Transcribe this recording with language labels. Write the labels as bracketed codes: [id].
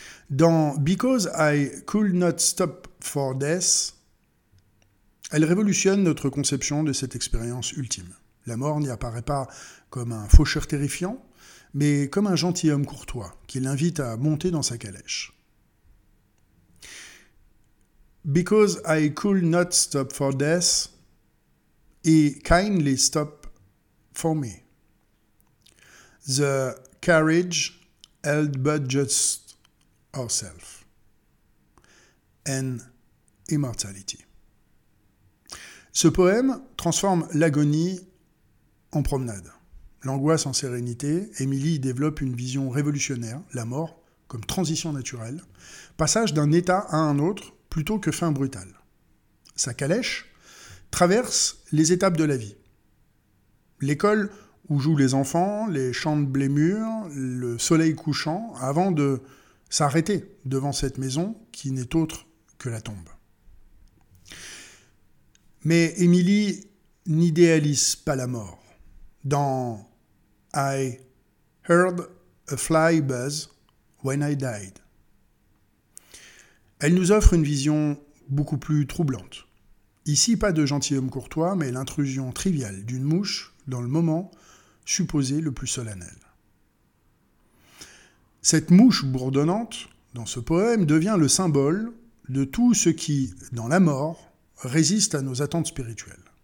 [fr] Dans « [en] Because I could not stop for death [fr] », elle révolutionne notre conception de cette expérience ultime. La mort n'y apparaît pas comme un faucheur terrifiant, mais comme un gentilhomme courtois qui l'invite à monter dans sa calèche. [en] Because I could not stop for death, he kindly stopped for me. The carriage held but just ourselves and immortality. [fr] Ce poème transforme l'agonie en promenade. L'angoisse en sérénité, Emily développe une vision révolutionnaire, la mort, comme transition naturelle, passage d'un état à un autre, plutôt que fin brutale. Sa calèche traverse les étapes de la vie. L'école où jouent les enfants, les champs de blé mûr, le soleil couchant, avant de s'arrêter devant cette maison qui n'est autre que la tombe. Mais Emily n'idéalise pas la mort. [en] Dans I heard a fly buzz when I died. [fr] Elle nous offre une vision beaucoup plus troublante. Ici, pas de gentilhomme courtois, mais l'intrusion triviale d'une mouche dans le moment supposé le plus solennel. Cette mouche bourdonnante, dans ce poème, devient le symbole de tout ce qui, dans la mort, résiste à nos attentes spirituelles.